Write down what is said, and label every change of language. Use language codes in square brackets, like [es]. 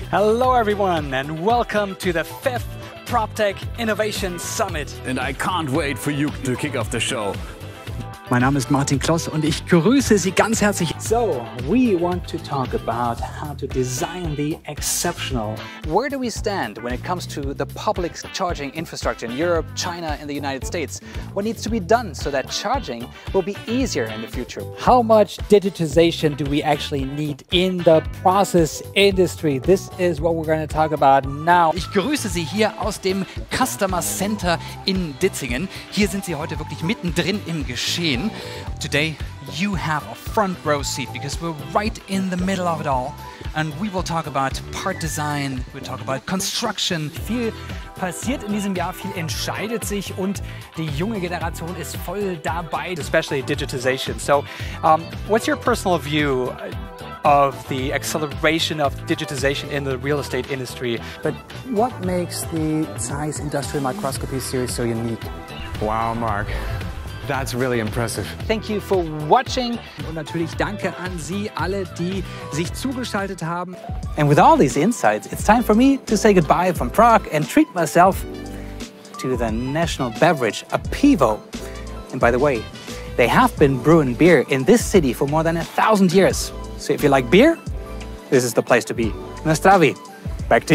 [en] Hello everyone and welcome to the 5th PropTech Innovation Summit. And I can't wait for you to kick off the show. [de] Mein Name ist Martin Kloss und ich grüße Sie ganz herzlich. [en] So, we want to talk about how to design the exceptional. Where do we stand when it comes to the public charging infrastructure in Europe, China and the United States? What needs to be done so that charging will be easier in the future? How much digitization do we actually need in the process industry? This is what we're going to talk about now. [de] Ich grüße Sie hier aus dem Customer Center in Ditzingen. Hier sind Sie heute wirklich mittendrin im Geschehen. [en] Today, you have a front row seat because we're right in the middle of it all. And we will talk about part design, we'll talk about construction. Viel passiert in diesem Jahr, viel entscheidet sich und die junge Generation ist voll dabei. Especially digitization. So, what's your personal view of the acceleration of digitization in the real estate industry? But what makes the Zeiss Industrial Microscopy Series so unique? Wow, Mark. That's really impressive. Thank you for watching. [de] Und natürlich danke an Sie alle, die sich zugeschaltet haben. [en] And with all these insights, it's time for me to say goodbye from Prague and treat myself to the national beverage, a pivo. And by the way, they have been brewing beer in this city for more than 1,000 years. So if you like beer, this is the place to be. Nastavi, back to you.